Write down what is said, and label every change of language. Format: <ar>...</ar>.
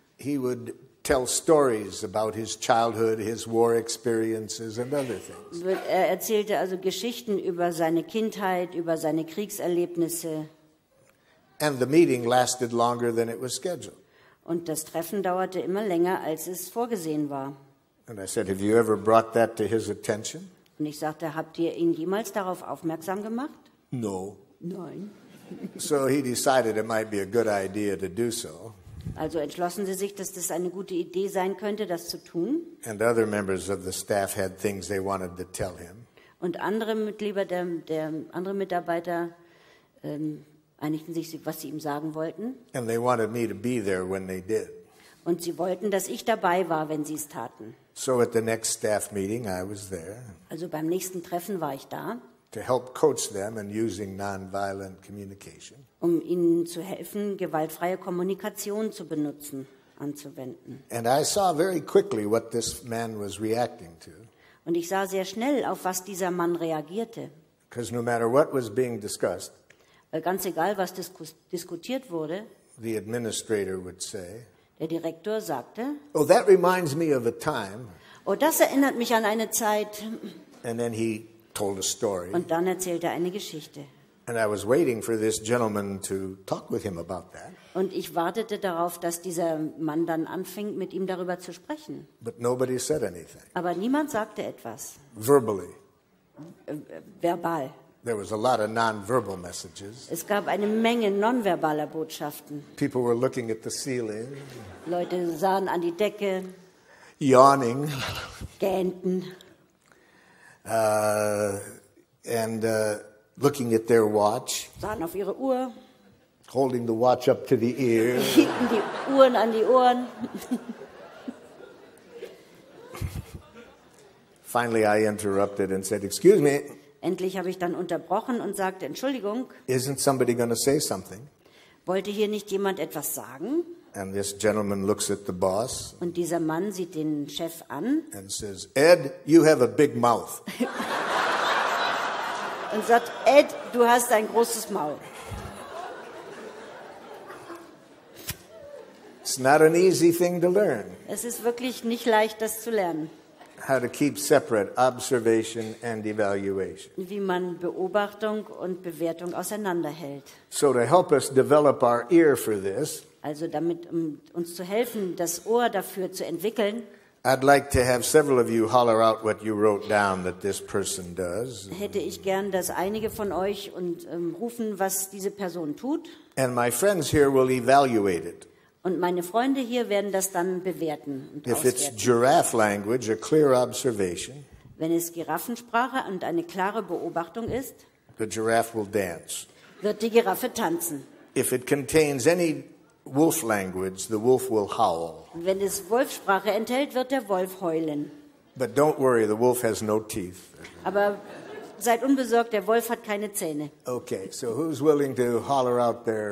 <en>He would tell stories about his childhood, his war experiences, and other things.</en> <de>Er erzählte also Geschichten über seine Kindheit, über seine Kriegserlebnisse.</de> <en>And the meeting lasted longer than it was scheduled.</en> <de>Und das Treffen dauerte immer länger, als es vorgesehen war.</de> <en>And I said, have you ever brought that to his attention?</en> <de>Und ich sagte, habt ihr ihn jemals darauf aufmerksam gemacht?</de> <en>No.</en> <de>Nein.</de> <en>So he decided it might be a good idea to do so.</en> <de>Also entschlossen sie sich, dass das eine gute Idee sein könnte, das zu tun.</de> <en>And other members of the staff had things they wanted to tell him.</en> <de>Und andere Mitglieder, der andere Mitarbeiter, einigten sich, was sie ihm sagen wollten.</de> <en>And they wanted me to be there when they did.</en> <de>Und sie wollten, dass ich dabei war, wenn sie es taten.</de> <en>So at the next staff meeting, I was there.</en> <de>Also beim nächsten Treffen war ich da.</de> <en>To help coach them in using non-violent communication.</en> <de>Um ihnen zu helfen, gewaltfreie Kommunikation zu benutzen, anzuwenden.</de> <en>And I saw very quickly what this man was reacting to.</en> <de>Und ich sah sehr schnell, auf was dieser Mann reagierte.</de> <en>Because no matter what was being discussed,</en> <de>ganz egal, was diskutiert wurde,</de> <en>the administrator would say,</en> <de>der Direktor sagte,</de> <en>oh, that reminds me of a time.</en> <de>Oh, das erinnert mich an eine Zeit.</de> <en>And then he told a story.</en> <de>Und dann erzählte er eine Geschichte.</de> <en>And I was waiting for this gentleman to talk with him about that.</en> <de>Und ich wartete darauf, dass dieser Mann dann anfing, mit ihm darüber zu sprechen.</de> <en>But nobody said anything.</en> <de>Aber niemand sagte etwas.</de> <en>Verbally.</en> <de>Verbal.</de> <en>There was a lot of non-verbal messages.</en> <de>Es gab eine Menge nonverbaler Botschaften.</de> <en>People were looking at the ceiling.</en> <de>Leute sahen an die Decke.</de> <en>Yawning.</en> <de>Gähnten.</de> <en>Looking at their watch.</en> <de>Sahen auf ihre Uhr.</de> <en>Holding the watch up to the ear.</en> <de>Hielten die Uhren an die Ohren.</de> <en>Finally, I interrupted and said, "Excuse me."</en> <de>Endlich habe ich dann unterbrochen und sagte, Entschuldigung.</de> <en>Isn't somebody going to say something?</en> <de>Wollte hier nicht jemand etwas sagen?</de> <en>And this gentleman looks at the boss.</en> <de>Und dieser Mann sieht den Chef an.</de> <en>And says, "Ed, you have a big mouth."</en> <de>Und sagt, Ed, du hast ein großes Maul.</de> <en>It's not an easy thing to learn.</en> <de>Es ist wirklich nicht leicht, das zu lernen.</de> <en>How to keep separate observation and evaluation.</en> <de>Wie man Beobachtung und Bewertung auseinanderhält.</de> <en>So to help us develop our ear for this,</en> <de>also damit, um uns zu helfen, das Ohr dafür zu entwickeln,</de> <en>I'd like to have several of you holler out what you wrote down that this person does.</en> <de>Hätte ich gern, dass einige von euch und rufen, was diese Person tut.</de> <en>And my friends here will evaluate it.</en> <de>Und meine Freunde hier werden das dann bewerten.</de> <en>If it's giraffe language, a clear observation.</en> <de>Wenn es Giraffensprache und eine klare Beobachtung ist.</de> <en>The giraffe will dance.</en> <de>Wird die Giraffe tanzen.</de> <en>If it contains any wolf language, the wolf will howl.</en> <de>Wenn es Wolfsprache enthält, wird der Wolf heulen.</de> <en>But don't worry, the wolf has no teeth.</en> <de>Aber seid unbesorgt, der Wolf hat keine Zähne.</de> <en>Okay, so who's willing to holler out there</en>